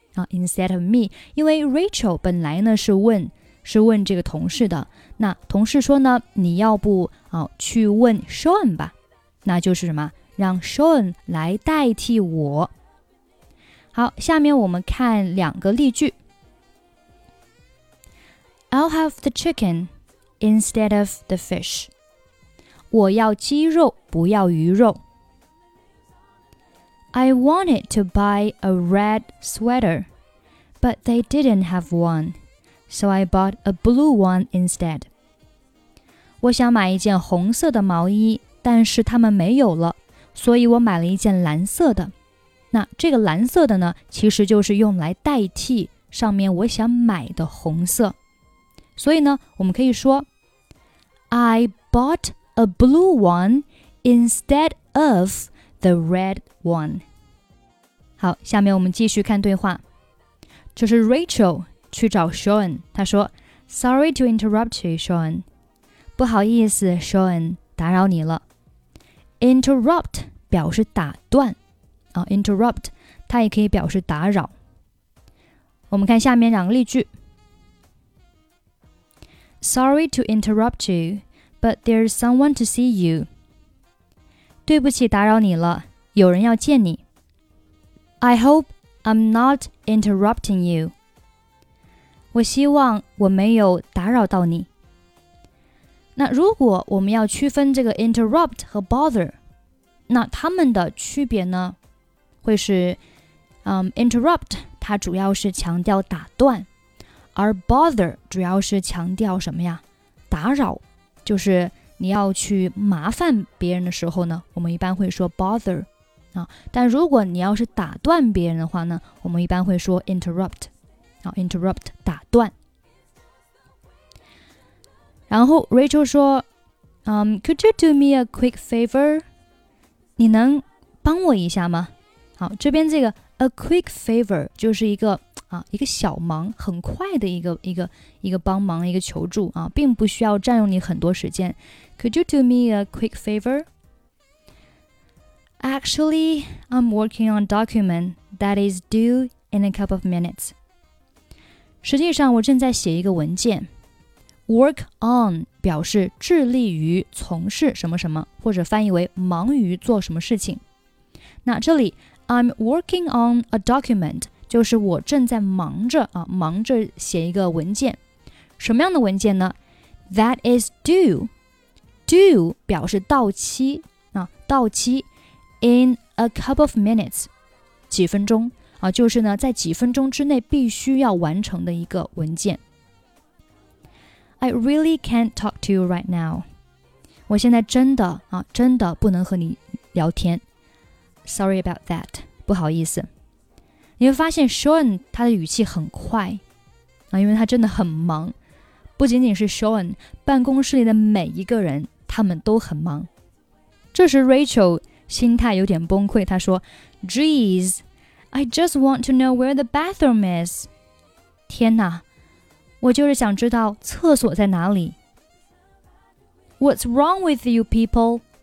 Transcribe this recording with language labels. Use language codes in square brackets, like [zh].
[en] Instead of me [zh] 因为 Rachel 本来呢是问这个同事的，那同事说呢你要不，去问 Sean 吧，那就是什么让 Sean 来代替我。好，下面我们看两个例句。 [en] I'll have the chicken instead of the fish. [zh] 我要鸡肉，不要鱼肉。 [en] I wanted to buy a red sweater, but they didn't have one, so I bought a blue one instead. [zh] 我想买一件红色的毛衣，但是他们没有了，所以我买了一件蓝色的。那这个蓝色的呢，其实就是用来代替上面我想买的红色。所以呢，我们可以说 [en] I bought a blue one instead of the red one. [zh] 好，下面我们继续看对话。这是 Rachel 去找 Sean， 他说 [en] Sorry to interrupt you, Sean. [zh] 不好意思 ,Sean, 打扰你了。 [en] Interrupt [zh] 表示打断，Interrupt 它也可以表示打扰。我们看下面两个例句。 [en] Sorry to interrupt you, but there's someone to see you. [zh] 对不起打扰你了，有人要见你。 [en] I hope I'm not interrupting you. [zh] 我希望我没有打扰到你。那如果我们要区分这个 interrupt 和 bother, 那他们的区别呢，会是，interrupt 它主要是强调打断，而 bother 主要是强调什么呀？打扰，就是你要去麻烦别人的时候呢，我们一般会说 bother 啊。但如果你要是打断别人的话呢，我们一般会说 interrupt 啊 ，interrupt 打断。然后 Rachel 说， [en] could you do me a quick favor？ [zh] 你能帮我一下吗？好，这边这个 a quick favor 就是一个。啊、一个小忙很快的一个帮忙一个求助、啊、并不需要占用你很多时间 [en] Could you do me a quick favor? Actually, I'm working on a document that is due in a couple of minutes. [zh] 实际上我正在写一个文件 Work on 表示致力于从事什么什么或者翻译为忙于做什么事情那这里 [en] I'm working on a document [zh] 就是我正在忙着、啊、忙着写一个文件。什么样的文件呢 ? [en] That is due. Due [zh] 表示到期、啊、到期 [en] in a couple of minutes. [zh] 几分钟、啊、就是呢在几分钟之内必须要完成的一个文件。 [en] I really can't talk to you right now. [zh] 我现在真的、啊、真的不能和你聊天。 [en] Sorry about that. [zh] 不好意思。你会发现 Sean 他的语气很快、啊、因为他真的很忙不仅仅是 Sean 办公室里的每一个人他们都很忙这时 Rachel 心态有点崩溃他说 [en] Geez I just want to know where the bathroom is [zh] 天哪我就是想知道厕所在哪里 [en] What's wrong with you people?